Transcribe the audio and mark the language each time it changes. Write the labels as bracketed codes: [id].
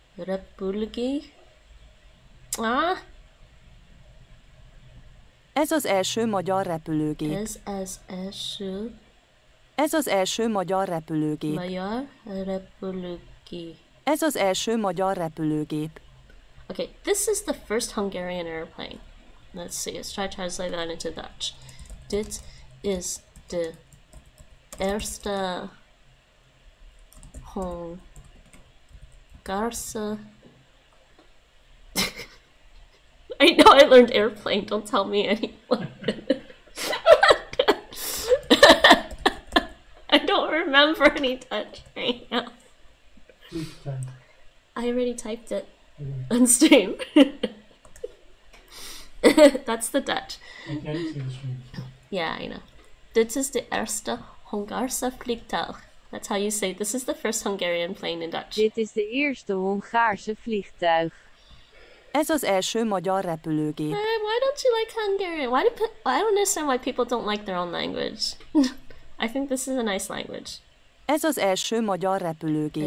[hu] Repülőgép? Ah? Ez az első magyar repülőgép. Ez az első... Ez az első magyar repülőgép. Magyar repülőgép. Ez az első magyar repülőgép. [en] Okay, this is the first Hungarian airplane. Let's see, let's try to translate that into Dutch. [nl] Dit is de erste Hungarse. [en] I know I learned airplane, don't tell me anyone. I don't remember any Dutch right now. I already typed it on stream. That's the Dutch. I can't see the stream. Yeah, I know. This is the [nl] erste Hungarse Flugzeug. [en] That's how you say this is the first Hungarian plane in Dutch. [nl] Dit is de eerste Hungarse Flugzeug. [hu] Ez az első magyar repülőgép. [en] Why don't you like Hungarian? I don't understand why people don't like their own language. I think this is a nice language. [hu] Ez az első magyar repülőgép.